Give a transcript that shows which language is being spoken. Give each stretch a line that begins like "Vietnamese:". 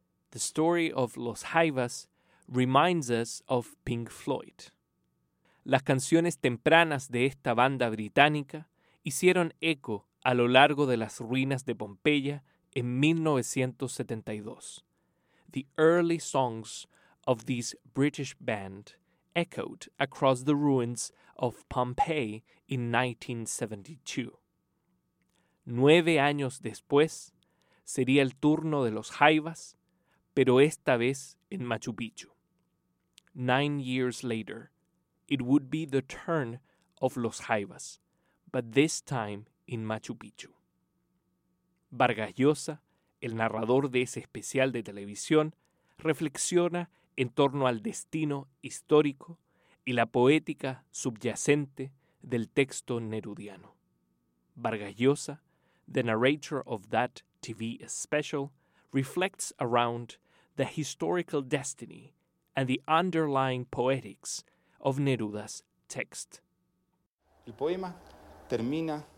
English: The story of los Jaivas reminds us of Pink Floyd.
Spanish: Las canciones tempranas de esta banda británica hicieron eco a lo largo de las ruinas de Pompeya en 1972.
English: The early songs of this British band echoed across the ruins of Pompeii in 1972.
Spanish: 9 años después, sería el turno de los Jaivas, pero esta vez en Machu Picchu.
English: 9 years later, it would be the turn of los Jaivas, but this time in Machu Picchu.
Spanish: Vargas Llosa, el narrador de ese especial de televisión, reflexiona en torno al destino histórico y la poética subyacente del texto nerudiano.
English: Vargas Llosa, the narrator of that TV special, reflects around the historical destiny and the underlying poetics of Neruda's text.
Spanish: El poema termina.